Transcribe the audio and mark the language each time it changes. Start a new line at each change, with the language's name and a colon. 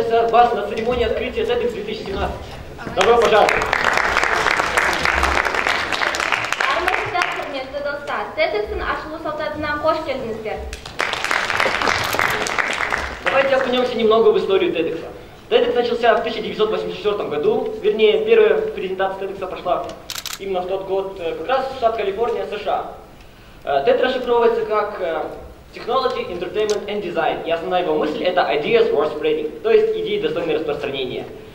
Russian: вас на церемонии открытия ТЭДx 2017. Добро пожаловать!
Kazakh: Армагеддар құрметті достар, ТЭДx-тің ашылу салтанатынан қош келдіңіздер.
Russian: Давайте окунемся немного в историю TEDx. TEDx начался в 1984 году, вернее, первая презентация TEDx прошла именно в тот год, как раз в штат Калифорния, США. TED расшифровывается как Technology, Entertainment and Design, и основная его мысль — это Ideas Worth Spreading, то есть идеи, достойные распространения.